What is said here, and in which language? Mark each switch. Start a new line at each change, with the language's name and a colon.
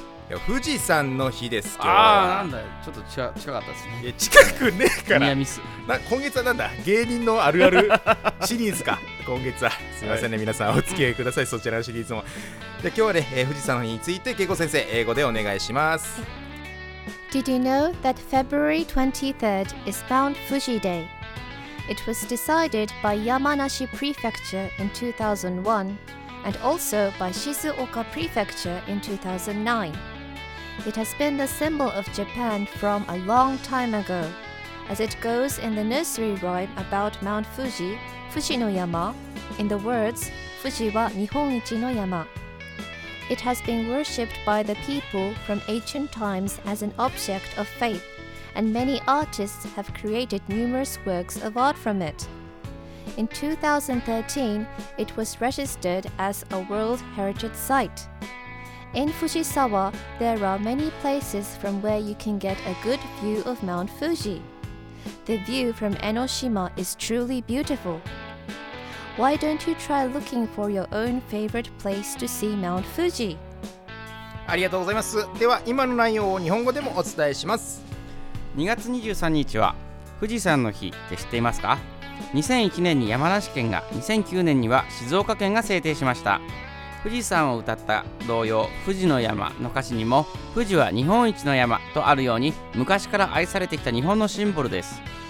Japanese: いや、富士山の日です。ああ、なんだよ、ちょっと近かったですね。いや、近くねえから。ニアミス。今月はなんだ、芸人のあるあるシリーズか今月は。すいませんね、はい、皆さんお付き合いくださいそちらのシリーズも。で、今日はね、富士山の日について、恵子先生、英語でお願いします。
English: Did you know that February 23rd is Mount Fuji Day? It was decided by Yamanashi Prefecture in 2001 and also by Shizuoka Prefecture in 2009. It has been the symbol of Japan from a long time ago, as it goes in the nursery rhyme about Mount Fuji, Fuji no Yama, in the words,
Japanese: Fuji wa Nihon ichi no Yama.
English: It has been worshipped by the people from ancient times as an object of faith, and many artists have created numerous works of art from it. In 2013, it was registered as a World Heritage Site. In Fujisawa, there are many places from where you can get a good view of Mount Fuji. The view from Enoshima is truly beautiful. Why don't you try looking for your own favorite place to see Mount Fuji?
Japanese: ありがとうございます。では今の内容を日本語でもお伝えします。 2月23日は富士山の日って知っていますか ?2001 年に山梨県が、2009年には静岡県が制定しました。富士山を歌った童謡「富士の山」の歌詞にも「富士は日本一の山」とあるように、昔から愛されてきた日本のシンボルです。